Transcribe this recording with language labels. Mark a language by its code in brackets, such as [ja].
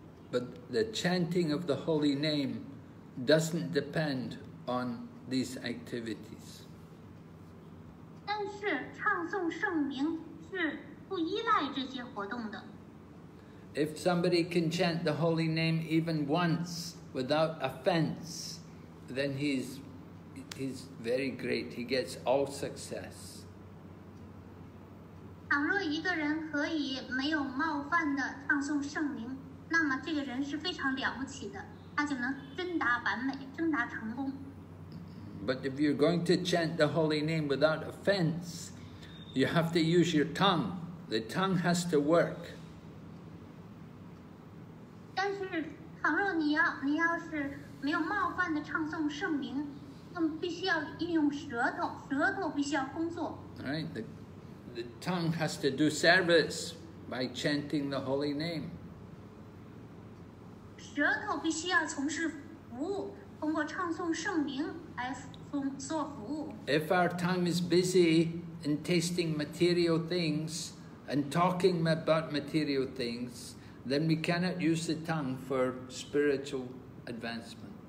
[en] But the chanting of the holy name doesn't depend on these activities. [zh] 但是唱诵圣名是不依赖这些活动的。 [en] If somebody can chant the holy name even once without offense, then he's very great. He gets all success. [zh] 倘若一个人可以没有冒犯的唱诵圣名，那么这个人是非常了不起的，他就能真达完美，真达成功。 [en] But if you're going to chant the holy name without offense, you have to use your tongue. The tongue has to work. [zh] 但是，倘若你要是没有冒犯的唱诵圣名，那么必须要运用舌头，舌头必须要工作。 [en] The tongue has to do service by chanting the holy name. [zh] 舌头必须要从事服务，通过唱诵圣名来 [en] If our time is busy in tasting material things and talking about material things, then we cannot use the tongue for spiritual advancement.